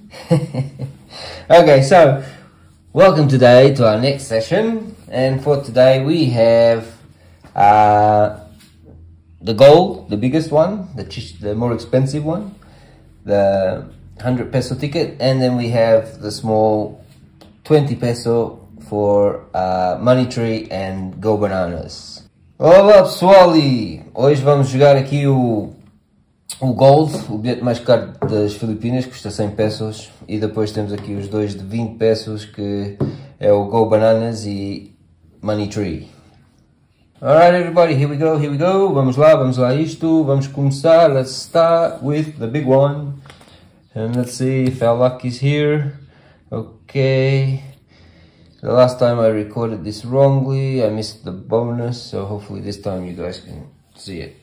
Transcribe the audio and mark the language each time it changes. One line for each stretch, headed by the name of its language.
English: Okay, so welcome today to our next session, and for today we have the goal, the biggest one, the more expensive one, the 100 peso ticket, and then we have the small 20 peso for money tree and go bananas.
Portuguese: Olá pessoal, hoje vamos jogar aqui o gold, o bilhete mais caro das Filipinas, custa 100 pesos, e depois temos aqui os dois de 20 pesos, que é o go bananas e money tree.
English: Alright everybody, here we go, here we go,
Portuguese: vamos lá isto, vamos começar,
English: let's start with the big one, and let's see if our luck is here. Okay. The last time I recorded this wrongly, I missed the bonus, so hopefully this time you guys can see it.